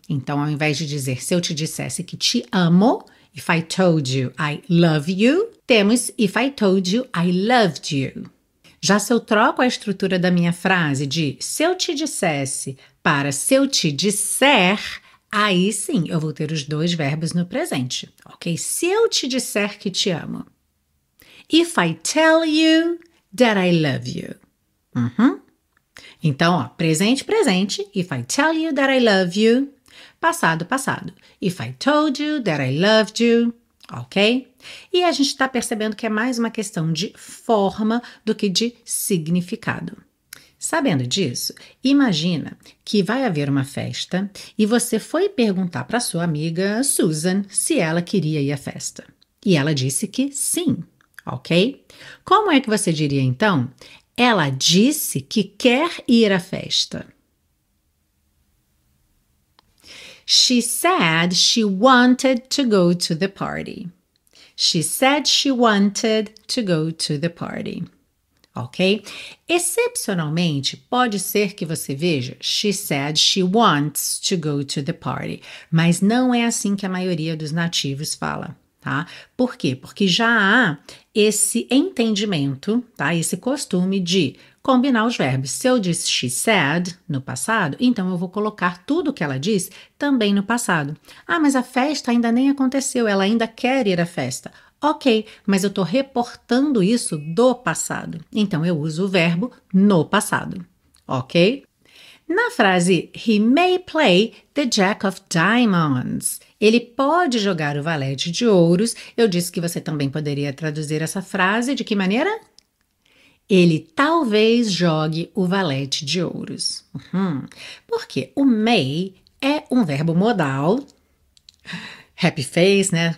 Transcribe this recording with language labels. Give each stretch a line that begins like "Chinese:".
Portuguese: Então, ao invés de dizer, se eu te dissesse que te amo,
English: if I told you I love you,
Portuguese: temos
English: if I told you I loved you.
Portuguese: Já se eu troco a estrutura da minha frase de se eu te dissesse para se eu te disser, aí sim eu vou ter os dois verbos no presente, ok? Se eu te disser que te amo.
English: If I tell you that I love you. Uhum.
Portuguese: Então, ó, presente, presente,
English: if I tell you that I love you.
Portuguese: Passado, passado.
English: If I told you that I loved you, ok?
Portuguese: E a gente está percebendo que é mais uma questão de forma do que de significado. Sabendo disso, imagina que vai haver uma festa e você foi perguntar para sua amiga Susan se ela queria ir à festa. E ela disse que sim, ok? Como é que você diria, então, Ela disse que quer ir à festa.
English: She said she wanted to go to the party. She said she wanted to go to the party.
Portuguese: Ok? Excepcionalmente, pode ser que você veja
English: she said she wants to go to the party.
Portuguese: Mas não é assim que a maioria dos nativos fala, tá? Por quê? Porque já há esse entendimento, tá? Esse costume de combinar os verbos. Se eu disse
English: she said
Portuguese: no passado, então eu vou colocar tudo o que ela disse também no passado. Ah, mas a festa ainda nem aconteceu, ela ainda quer ir à festa. Ok, mas eu estou reportando isso do passado. Então, eu uso o verbo no passado, ok?
English: Na frase, he may play the jack of diamonds.
Portuguese: Ele pode jogar o valete de ouros. Eu disse que você também poderia traduzir essa frase. De que maneira? Ele talvez jogue o valete de ouros. Porque o may é um verbo modal.
English: Happy face,
Portuguese: né?